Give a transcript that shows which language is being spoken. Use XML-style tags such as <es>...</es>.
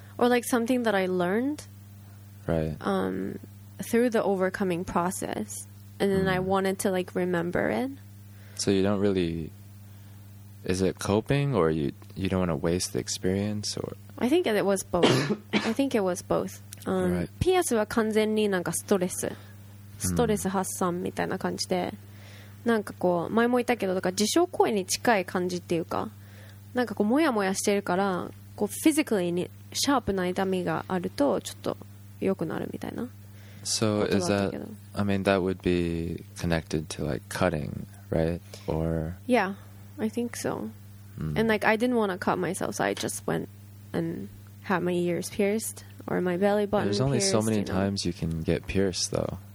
<en>Or, like, something that I learned, right? Through the overcoming process, and then I wanted to, like, remember it. So you don't really... Is it coping, or you don't want to waste the experience, or? I think it was both. I think it was both. Right.</en> <ja>PS は完全になんかストレス発散みたいな感じで、なんかこう前も言ったけど、だから自傷行為に近い感じっていうか、なんかこうモヤモヤしてるから、こう physically にシャープな痛みがあるとちょっと良くなるみたいな。</ja> <en>So is that? I mean, that would be connected to like cutting, right? Or yeah. I think so. Mm. And like, I didn't want to cut myself, so I just went and had my ears pierced or my belly button pierced. There's only pierced, so many you know. Times you can get pierced, though.</en>